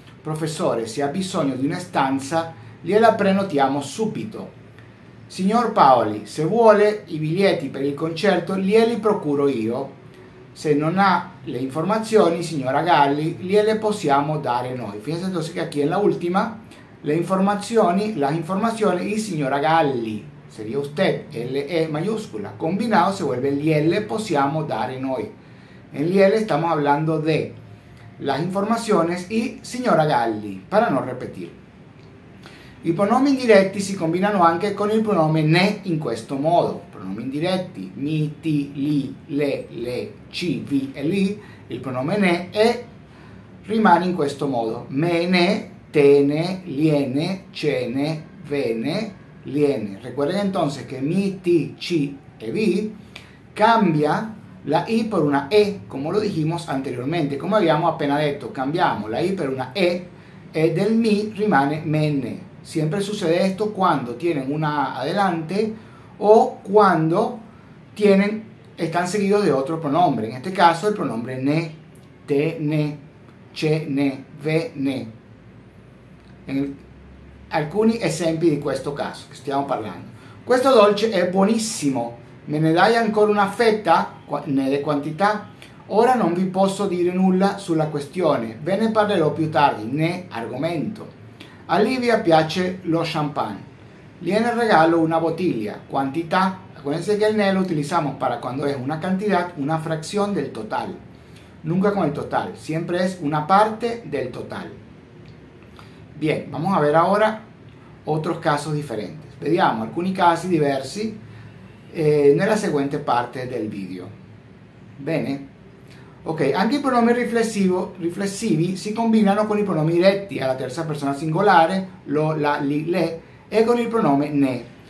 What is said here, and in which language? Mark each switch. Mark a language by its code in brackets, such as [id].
[it] Professore, se ha bisogno di una stanza, gliela prenotiamo subito. Signor Paoli, se vuole i biglietti per il concerto, glieli procuro io. Se non ha le informazioni, signora Galli, gliele possiamo dare noi. [es] Fíjense entonces [it] che qui è [es] la ultima. [it] Le informazioni, [es] las informaciones y signora Galli. Sería usted, L-E mayúscula. Combinado se vuelve liele, [it] possiamo dare noi. [es] En liele estamos hablando de las informaciones y signora Galli, para no repetir. [it] I pronomi indiretti si combinano anche con il pronome ne in questo modo. Pronomi indiretti, mi, ti, li, le, ci, vi e li. Il pronome ne e rimane in questo modo. Me ne, te ne, liene, ce ne, vene, liene. [es] Recuerden entonces que mi, ti, ci e vi cambia la i por una e, como lo dijimos anteriormente, como habíamos apenas [it] detto, [es] cambiamos la i por una e, [it] e del mi rimane menne. [es] Siempre sucede esto cuando tienen una a adelante o cuando tienen, están seguidos de otro pronombre, en este caso el pronombre ne, te, ne, ce, ne, ve, ne. [it] Alcuni esempi di questo caso che stiamo parlando. Questo dolce è buonissimo. Me ne dai ancora una fetta? Ne de quantità? Ora non vi posso dire nulla sulla questione. Ve ne parlerò più tardi. Ne argomento. A Livia piace lo champagne. Gliene regalo una bottiglia. Quantità. [es] Acuérdense [it] che il ne lo utilizziamo [es] para [it] quando è una [es] cantidad, [it] una frazione del total. [es] nunca con el total, siempre es una parte del total. Bien, vamos a ver ahora otros casos diferentes. [it] Vediamo alcuni casi diversi nella seguente parte del video. Bene? Ok, anche i pronomi riflessivi si combinano con i pronomi diretti alla terza persona singolare, lo, la, li, le, e con il pronome ne.